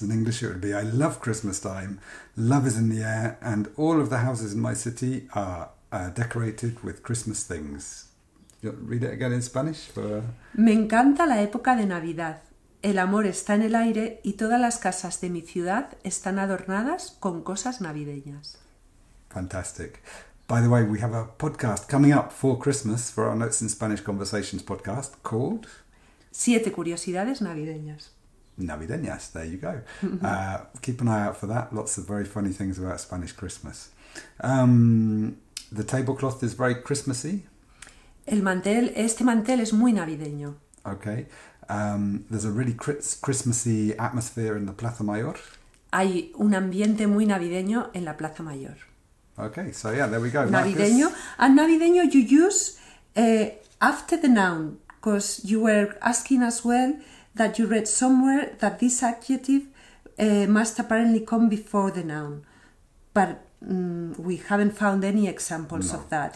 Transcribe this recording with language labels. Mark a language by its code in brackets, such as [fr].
[en] In English it would be, I love Christmas time, love is in the air, and all of the houses in my city are decorated with Christmas things. You read it again in Spanish? [es] Me encanta la época de Navidad. El amor está en el aire y todas las casas de mi ciudad están adornadas con cosas navideñas. [en] Fantastic. By the way, we have a podcast coming up for Christmas for our Notes in Spanish Conversations podcast called... [es] Siete curiosidades navideñas. [en] Navideñas, there you go. Keep an eye out for that. Lots of very funny things about Spanish Christmas. The tablecloth is very Christmassy. [es] Este mantel es muy navideño. [en] Okay. There's a really Christmassy atmosphere in the Plaza Mayor. [es] Hay un ambiente muy navideño en la Plaza Mayor. [en] Okay, so yeah, there we go. [es] Navideño. [en] Marcus. And navideño you use after the noun, because you were asking as well that you read somewhere that this adjective must apparently come before the noun. But we haven't found any examples of that.